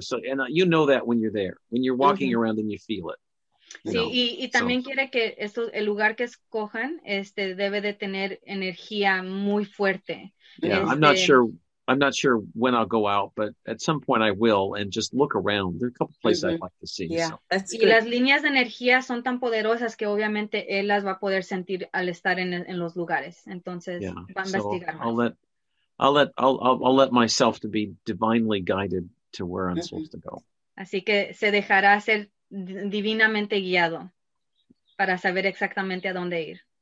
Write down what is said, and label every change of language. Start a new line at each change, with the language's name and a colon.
English: So, and you know that when you're there, when you're walking mm-hmm. around and you feel it.
Spanish: Sí,
English: you know,
Spanish: y también quiere que el lugar que escojan debe de tener energía muy fuerte.
English: Yeah, I'm not sure when I'll go out, but at some point I will and just look around. There are a couple of places mm-hmm. I'd like to see. Yeah,
Spanish: y las líneas de energía son tan poderosas que obviamente él las va a poder sentir al estar en los lugares. Entonces, va a investigar.
English: I'll let myself to be divinely guided to where I'm mm-hmm. supposed to go.
Spanish: Así que se dejará ser divinamente guiado para saber exactamente a dónde ir.